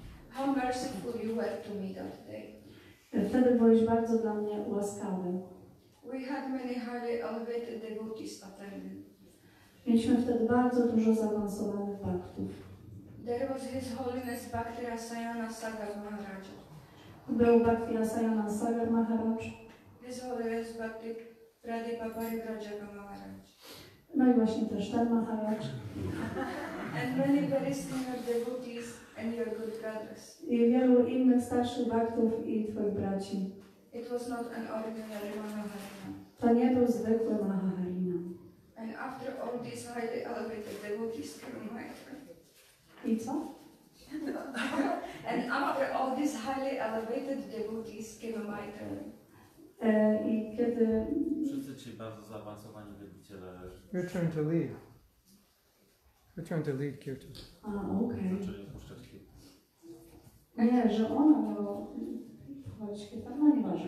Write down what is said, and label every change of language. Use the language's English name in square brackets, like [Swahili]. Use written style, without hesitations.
[English] How merciful you were to me that day. [Polish] Wtedy byłeś bardzo dla mnie łaskawy. [English] We had many highly elevated devotees attending. [Polish] Mieliśmy wtedy bardzo dużo zaawansowanych faktów. [English] There was His Holiness Bhakti Rasayana Sagar Maharaj. [Polish] Był Bhakti Rasayana Sagar Maharaj. [English] His Holiness Bhakti Pradipa Parivrajaka Maharaj. [Polish] No i właśnie też ten Maharaj. [English] And many very senior devotees and your good brothers. [Polish] I wielu innych starszych bhaktów i twoich braci. [English] It was not an ordinary Mahaharina. [Polish] To nie był zwykły Mahaharina. [English] And after all these highly elevated devotees came my [Polish] I co? [English] And after all these highly elevated devotees came my turn. [Polish] I kiedy... Wszyscy ci bardzo zaawansowani wielbiciele... [English] Return to lead. Return to lead, Kirtan. [Polish] A, okej. Okay. Nie, że ona miała... Chodź, Kirtan, no nie ważne.